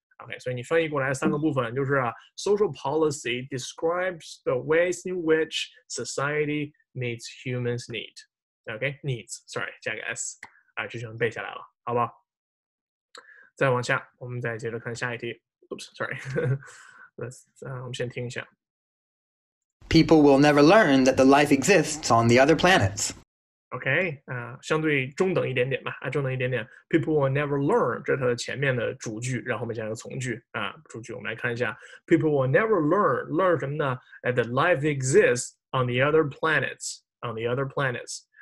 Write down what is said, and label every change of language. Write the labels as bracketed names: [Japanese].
[English] OK， [Chinese] 所以你翻译过来三个部分就是、 [English] Social policy describes the ways in which society meets humans' need. [Chinese] OK， needs， sorry， 加个 s， 啊，这就能背下来了，好吧？再往下，我们再接着看下一题。 [English] Oops， sorry， let's， [Chinese] 我们先听一下。 [English] People will never learn that the life exists on the other planets. [Chinese] OK， 相对中等一点点吧，啊，中等一点点。 [English] People will never learn， [Chinese] 这是它的前面的主句，然后后面加一个从句啊，主句我们来看一下。 [English] People will never learn [Chinese] 什么呢 [English] ？That life exists on the other planets， on the other planets。